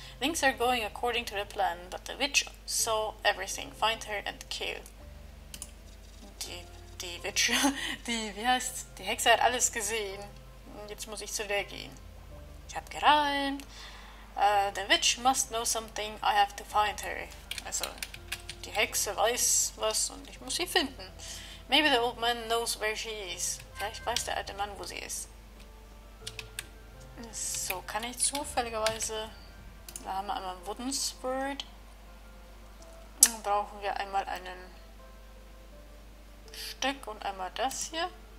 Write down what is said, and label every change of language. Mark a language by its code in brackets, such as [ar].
[en] Things are going according to the plan, but the witch saw everything. Find her and kill. [de] Die Witch, wie heißt, die Hexe hat alles gesehen. Jetzt muss ich zu der gehen. Ich hab gereimt. [en] The witch must know something, I have to find her. [de] Also, die Hexe weiß was und ich muss sie finden. [en] Maybe the old man knows where she is. [de] Vielleicht weiß der alte Mann, wo sie ist. So, kann ich zufälligerweise... Da haben wir einmal ein Wooden Sword. Dann brauchen wir einmal einen... Stück und einmal das hier.